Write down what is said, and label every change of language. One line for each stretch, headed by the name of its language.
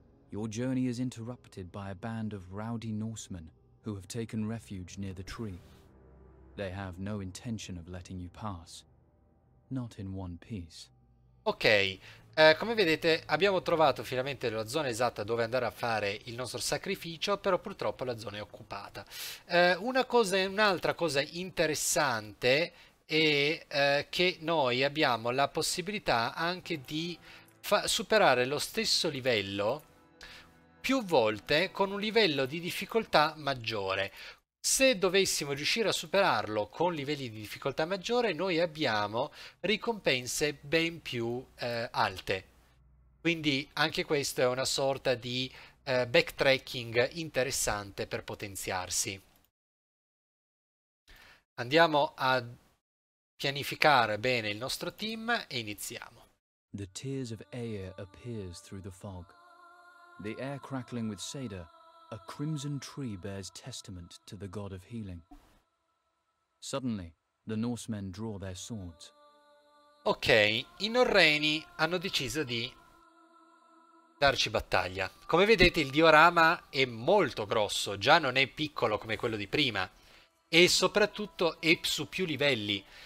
English: Your journey is interrupted by a band of rowdy Norsemen who have taken refuge near the tree. They have no intention of letting you pass, not in one piece.
Italian: Ok, come vedete abbiamo trovato finalmente la zona esatta dove andare a fare il nostro sacrificio, però purtroppo la zona è occupata. Un'altra cosa interessante è che noi abbiamo la possibilità anche di superare lo stesso livello più volte con un livello di difficoltà maggiore. Se dovessimo riuscire a superarlo con livelli di difficoltà maggiore, noi abbiamo ricompense ben più alte. Quindi anche questo è una sorta di backtracking interessante per potenziarsi. Andiamo a pianificare bene il nostro team e iniziamo.
English: The Tears of Ayr appears through the fog. The air crackling with cedar, a crimson tree bears testament to the god of healing. Suddenly, the Norsemen draw their swords.
Italian: Ok, i Norreni hanno deciso di darci battaglia. Come vedete, il diorama è molto grosso, già non è piccolo come quello di prima, e soprattutto è su più livelli.